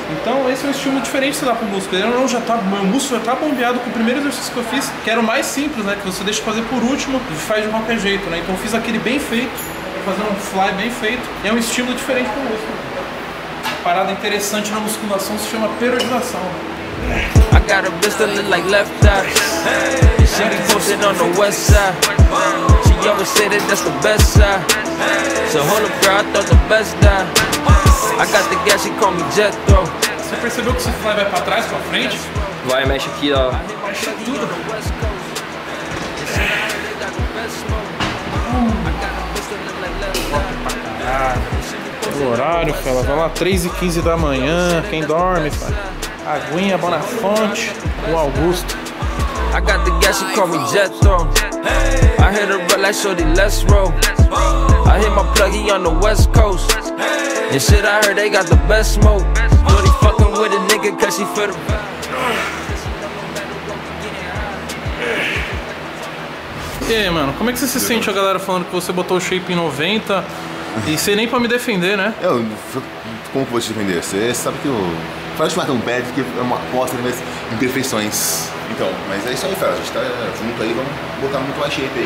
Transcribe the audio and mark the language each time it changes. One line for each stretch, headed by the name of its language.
Portuguese: Então esse é um estímulo diferente que você dá pro músculo. Ele não já tá, meu músculo já tá bombeado com o primeiro exercício que eu fiz, que era o mais simples, né? Que você deixa fazer por último e faz de qualquer jeito, né? Então eu fiz aquele bem feito, fazendo um fly bem feito, é um estímulo diferente pro músculo. Uma parada interessante na musculação se chama periodização.
English: I got a pistol lit like left eye. She be posted on the west side. She always said that that's the best side. So hold up, girl, I thought the best die. I got the gas, she called me Jethro.
Portuguese: Você percebeu que esse fly vai pra trás, pra frente? Vai, mexe aqui, ó. Mexe tudo. Ah, pelo horário, fala. Vai lá, 3h15 da manhã. Quem dorme, fala. Aguinha, Bonafonte, o Augusto.
English: I got the gas, she call me Jethro. I hit a red light, shorty, let's roll. I hit my plug, he on the west coast. And shit, I heard they got the best smoke. Shorty fucking with a nigga, cause she feel the best.
Portuguese: E aí, mano, como é que você se sente a galera falando que você botou o shape em 90 e você nem pra me defender, né? Eu, como que vou te defender? Você sabe que o Fred te marca um bad, que é uma aposta das minhas imperfeições. Então, mas é isso aí, Fred, a gente tá junto aí, vamos botar muito mais shape aí.